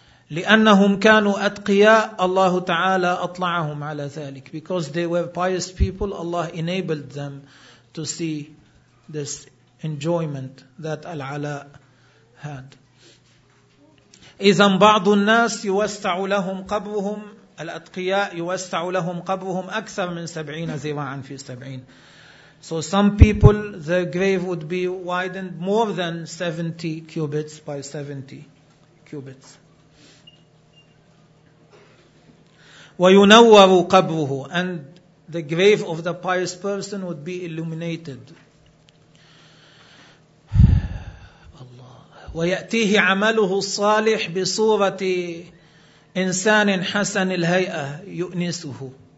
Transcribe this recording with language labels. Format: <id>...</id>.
<ar>لأنهم كانوا أتقياء الله تعالى أطلعهم على ذلك.</ar> <en>Because they were pious people, Allah enabled them to see this enjoyment that العلاء had.</en> <ar>إذن بعض الناس يوسع لهم قبرهم, الأتقياء يوسع لهم قبرهم أكثر من 70 ذراعا في 70.</ar> <en>So some people, their grave would be widened more than 70 cubits by 70 cubits.</en> <ar>وينور قبره,</ar> <en>and the grave of the pious person would be illuminated.</en> <ar>ويأتيه عمله الصالح بصورة إنسان حسن الهيئة يؤنسه.</ar>